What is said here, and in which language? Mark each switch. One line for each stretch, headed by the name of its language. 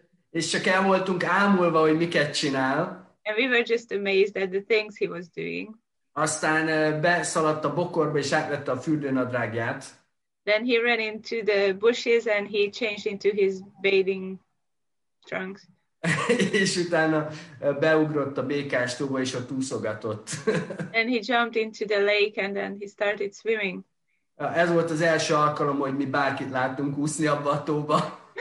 Hungarian: És csak el voltunk ámulva, hogy miket csinál.
English: And we were just amazed at the things he was doing.
Hungarian: Aztán beszaladt a bokorba és átvette a fürdőnadrágját.
English: Then he ran into the bushes and he changed into his bathing trunks.
Hungarian: És utána beugrott a Békás tóba, és ott úszogatott.
English: And he jumped into the lake, and then he started swimming.
Hungarian: Ez volt az első alkalom, hogy mi bárkit láttunk úszni abba a tóba.